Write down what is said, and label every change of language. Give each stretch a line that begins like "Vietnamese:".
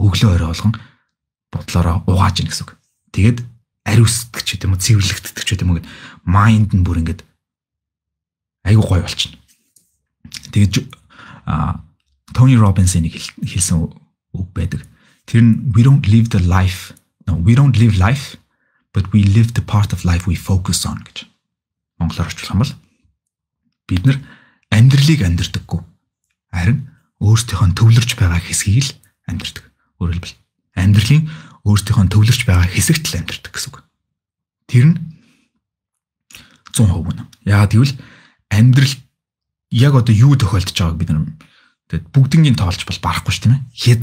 Mongolian: Өглөө орой болгон бодлороо угааж ин гэсэн. Тэгэд ариусдаг ч гэдэг юм уу, цэвэрлэгддэг ч гэдэг юм уу гэд майнд нь бүр ингээд аюу гой болчихно. Тэгэ Тони Робинс энийг хэлсэн үг байдаг. Тэр нь
English: we don't live the life, no, we don't live life, but we live the part of life we focus on
Mongolian: гэж. Монголоор орчуулах юм бол бид нар амьдралыг амьдрдаггүй, харин өөрсдийнхөө төвлөрч байгаа хэсгийг л амьдрдаг. Өөрөөр хэлбэл амьдралын өөрсдийнхөө төвлөрч байгаа хэсэгт л амьдрдаг гэсэн үг. Тэр нь 100% үнэн. Яагаад гэвэл амьдрал яг одоо юу тохиолдож байгааг бид нар тэгэд бүгднийг тоолж бол барахгүй шүү дээ.